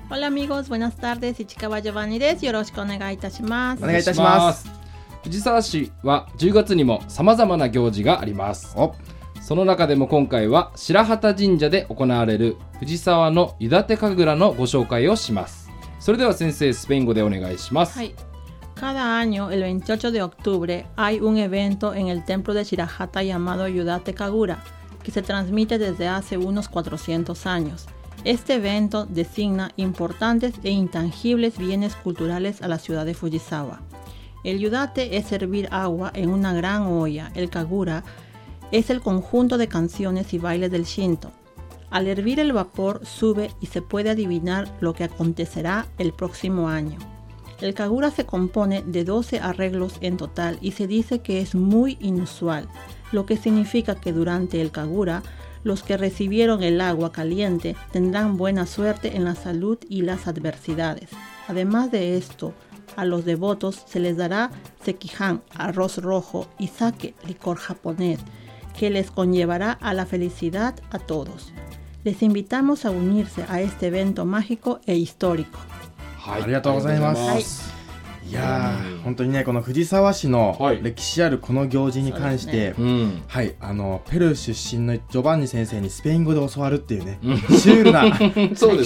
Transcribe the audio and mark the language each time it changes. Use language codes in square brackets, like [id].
[es] ホラミゴーズ、ブナスタール [ja] です。市川ジョバンニです。よろしくお願いいたします。お願いいたします。藤沢市は10月にも様々な行事があります。おその中でも今回は白旗神社で行われる藤沢の湯立て神楽のご紹介をします。それでは先生、スペイン語でお願いします。はい。 [es] Cada año, el 28 de octubre, hay un evento en el templo de Shirahata llamado Yudate Kagura, que se transmite desde hace unos 400 años. Este evento designa importantes e intangibles bienes culturales a la ciudad de Fujisawa. El Yudate es servir agua en una gran olla. El Kagura es el conjunto de canciones y bailes del Shinto. Al hervir el vapor, sube y se puede adivinar lo que acontecerá el próximo año. El Kagura se compone de 12 arreglos en total y se dice que es muy inusual, lo que significa que durante el Kagura, los que recibieron el agua caliente tendrán buena suerte en la salud y las adversidades. Además de esto, a los devotos se les dará sekihan, arroz rojo y sake, licor japonés, que les conllevará a la felicidad a todos. Les invitamos a unirse a este evento mágico e histórico. [ja] はい、ありがとうございます。いやー、本当にね、この藤沢市の歴史あるこの行事に関して、はい、ね、うん、はい、あのペルー出身のジョバンニ先生にスペイン語で教わるっていうね、シュールな、そうですね、